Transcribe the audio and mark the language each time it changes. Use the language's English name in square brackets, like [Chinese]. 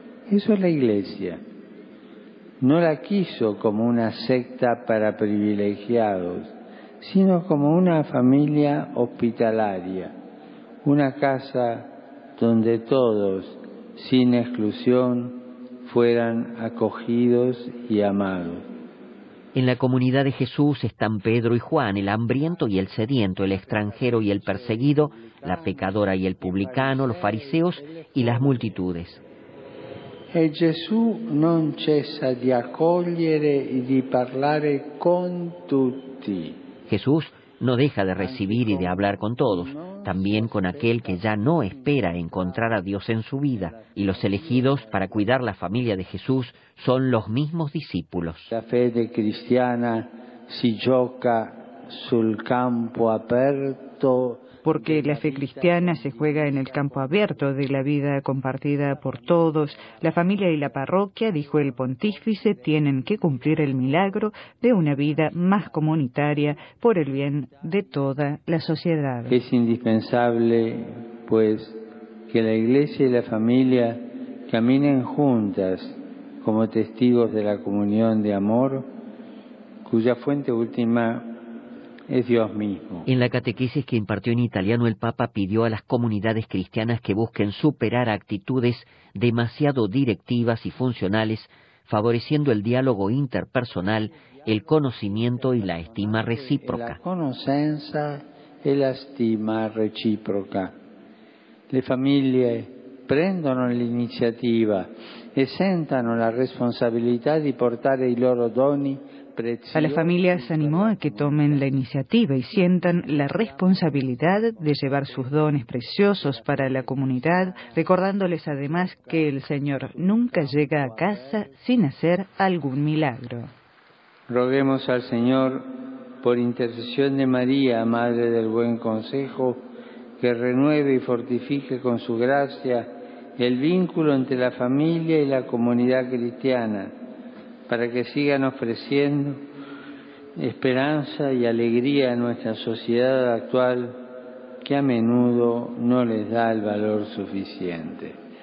[Spanish] Eso es la Iglesia. No la quiso como una secta para privilegiados, sino como una familia hospitalaria, una casa donde todos, sin exclusión, fueran acogidos y amados. En la comunidad de Jesús están Pedro y Juan, el hambriento y el sediento, el extranjero y el perseguido, la pecadora y el publicano, los fariseos y las multitudes. [Italian] E Gesù non cessa di accogliere e di parlare con tutti. [Spanish] Jesús no deja de recibir y de hablar con todos, también con aquel que ya no espera encontrar a Dios en su vida. Y los elegidos para cuidar la familia de Jesús son los mismos discípulos. [Italian] La fe cristiana si gioca sul campo aperto. [Spanish] Porque la fe cristiana se juega en el campo abierto de la vida compartida por todos. La familia y la parroquia, dijo el pontífice, tienen que cumplir el milagro de una vida más comunitaria por el bien de toda la sociedad. Es indispensable, pues, que la Iglesia y la familia caminen juntas como testigos de la comunión de amor, cuya fuente última es Dios mismo. En la catequesis que impartió en italiano, el Papa pidió a las comunidades cristianas que busquen superar actitudes demasiado directivas y funcionales, favoreciendo el diálogo interpersonal, el conocimiento y la estima recíproca. [Italian] La conoscenza e la stima reciproca. Le famiglie prendono l'iniziativa e sentano la responsabilità di portare i loro doni. [Spanish] A las familias animó a que tomen la iniciativa y sientan la responsabilidad de llevar sus dones preciosos para la comunidad, recordándoles además que el Señor nunca llega a casa sin hacer algún milagro. Roguemos al Señor, por intercesión de María, Madre del Buen Consejo, que renueve y fortifique con su gracia el vínculo entre la familia y la comunidad cristiana, para que sigan ofreciendo esperanza y alegría a nuestra sociedad actual, que a menudo no les da el valor suficiente.